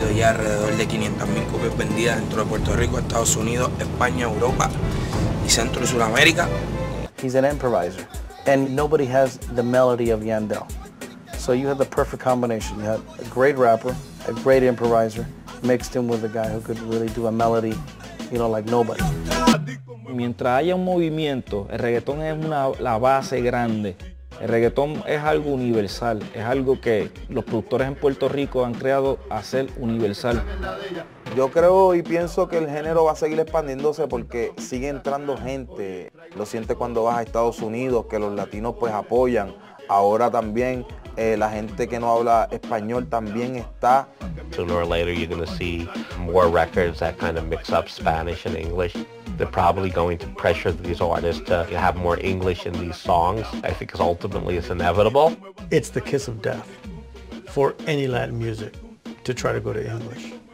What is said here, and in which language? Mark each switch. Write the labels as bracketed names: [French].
[Spanish] Alrededor de 500,000 copias vendidas dentro de Puerto Rico, Estados Unidos, España, Europa y Centro y Sudamérica. [English] He's an improviser, and nobody has the melody of Yandel. So you have the perfect combination. You have a great rapper, a great improviser, mixed him with a guy who could really do a melody, you know, like nobody. [Spanish] Mientras haya un movimiento, el reggaetón es la base grande. El reggaetón es algo universal, es algo que los productores en Puerto Rico han creado a ser universal. Yo creo y pienso que el género va a seguir expandiéndose porque sigue entrando gente. Lo sientes cuando vas a Estados Unidos, que los latinos pues apoyan. Ahora también la gente que no habla español también está. [English] Sooner or later you're going to see more records that kind of mix up Spanish and English. They're probably going to pressure these artists to have more English in these songs. I think it's ultimately it's inevitable. It's the kiss of death for any Latin music to try to go to English.